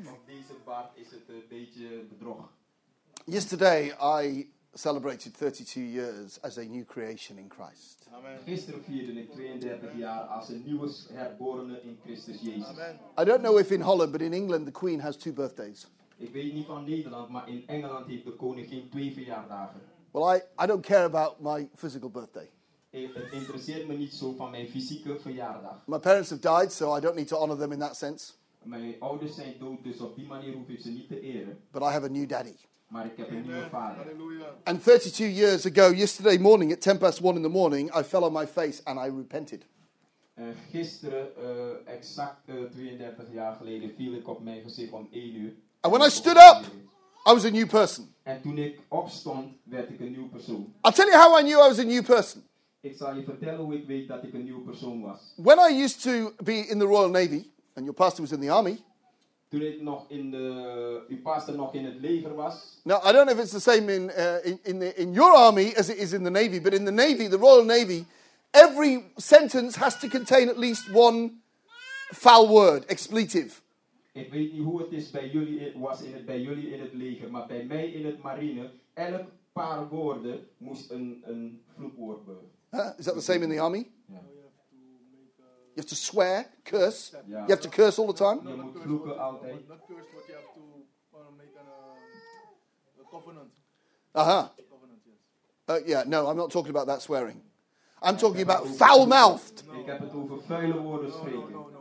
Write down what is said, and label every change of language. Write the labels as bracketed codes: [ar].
[nl] Op deze baard is het een beetje bedrog. [en] Yesterday I celebrated 32 years as a new creation in Christ. Amen. [nl] Gisteren vierde ik 32 jaar als een nieuwe herborene in Christus Jezus. Amen. [en] I don't know if in Holland, but in England the Queen has two birthdays. [nl] Ik weet niet van Nederland, maar in Engeland heeft de koningin twee verjaardagen. [en] Well, I don't care about my physical birthday. [nl] Het interesseert me niet zo van mijn fysieke verjaardag. [en] My parents have died, so I don't need to honor them in that sense. [nl] Mijn ouders zijn dood, dus op die manier hoef ik ze niet te eren. [en] But I have a new daddy. [nl] Maar ik heb een nieuwe vader. [en] And 32 years ago, yesterday morning at 1:10 in the morning, I fell on my face and I repented. [nl] Gisteren, exact 32 jaar geleden, viel ik op mijn gezicht om 1 uur. [en] And when I stood up, I was a new person. [nl] En toen ik opstond, werd ik een nieuwe persoon. [en] I'll tell you how I knew I was a new person. [nl] Ik zal je vertellen hoe ik weet dat ik een nieuwe persoon was. [en] When I used to be in the Royal Navy, and your pastor was in the army. [nl] Toen ik nog in de, uw pastor nog in het leger was. [en] Now, I don't know if it's the same in your army as it is in the Navy, but in the Navy, the Royal Navy, every sentence has to contain at least one foul word, expletive. [nl] Ik weet niet hoe het is bij jullie, was in het, bij jullie in het leger, maar bij mij in het marine, elk paar woorden moest een vloekwoord worden. [en] Is that the same in the army? Yeah. You have to swear, curse. Yeah. You have to curse all the time? [nl] Je moet vloeken altijd. [en] Not curse, but you have to make a covenant. Uh-huh. Yeah, no, I'm not talking about that swearing. I'm talking about foul-mouthed. [nl] Ik heb het over vuile woorden spreken.